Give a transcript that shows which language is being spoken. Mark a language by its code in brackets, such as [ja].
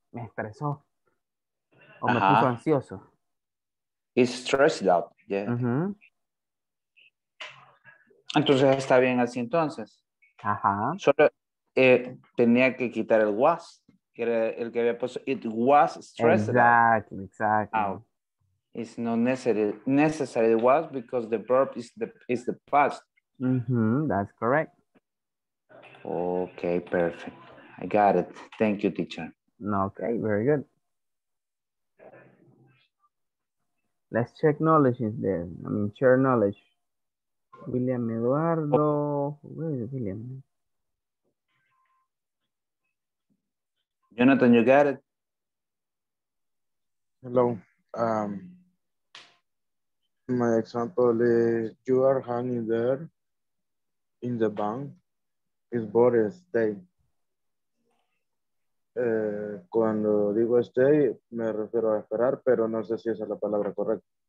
[es] Me estresó. O me puso ansioso. [en] It's stressed out, yeah. Uh-huh. [es] Entonces está bien así entonces. Ajá. Solo tenía que quitar el was, que era el que había puesto. [en] It was stressed out. Exacto, exacto. It's not necessary it was because the verb is the past. Mm-hmm, that's correct. Okay, perfect. I got it. Thank you, teacher. Okay, very good. Let's check knowledge is there. I mean, share knowledge. William Eduardo. Where is William? Jonathan, you got it? Hello. My example is, you are hanging there in the bank. It's boring, stay. [es] Cuando digo stay, me refiero a esperar, pero no sé si esa es la palabra correcta.